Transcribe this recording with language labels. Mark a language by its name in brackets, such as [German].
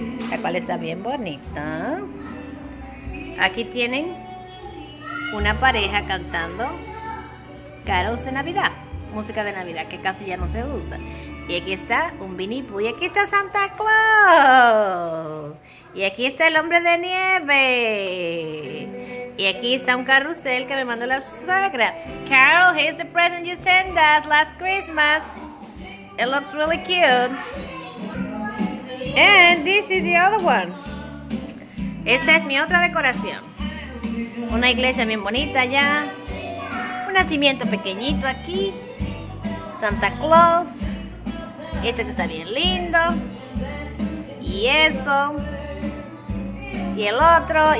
[Spanish] La cual está bien bonita. Aquí tienen una pareja cantando carols de Navidad. Música de Navidad que casi ya no se usa. Y aquí está un Winnie Pooh y aquí está Santa Claus. Y aquí está el hombre de nieve. Y aquí está un carrusel que me mandó la suegra. [English] Carol, here's the present you sent us last Christmas. It looks really cute. And this is the other one. [Spanish] Esta es mi otra decoración. Una iglesia bien bonita ya. Un nacimiento pequeñito aquí. Santa Claus. Este que está bien lindo. Y eso. Y el otro.